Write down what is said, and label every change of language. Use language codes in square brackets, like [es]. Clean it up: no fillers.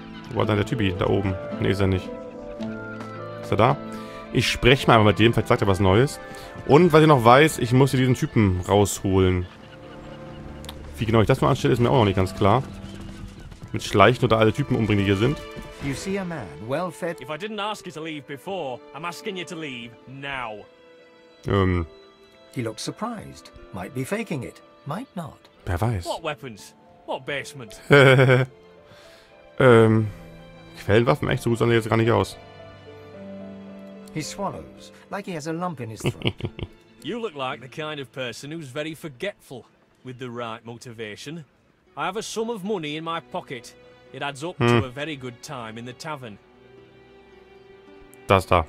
[de] Wo war dann der Typi? Da oben. Ne, ist er nicht. Ist er da? Ich spreche mal mit dem, vielleicht sagt er was Neues. Und was ich noch weiß, ich muss hier diesen Typen rausholen. Wie genau ich das nur anstelle, ist mir auch noch nicht ganz klar. Mit Schleichen oder alle Typen umbringen, die hier sind. [en] You see a man well fed. If I didn't ask you to leave before, I'm asking you to leave now. He looks surprised. Might be faking it. Might not. [de] Wer weiß. [en] What weapons? What basement? [de] Quellenwaffen, echt so gut sahen die jetzt gar nicht aus. [en] He swallows, like he has a lump in his throat. You look like the kind of person who's very forgetful with the right motivation. I have a sum of money in my pocket. It adds up to a very good time in the tavern. [de] Das da.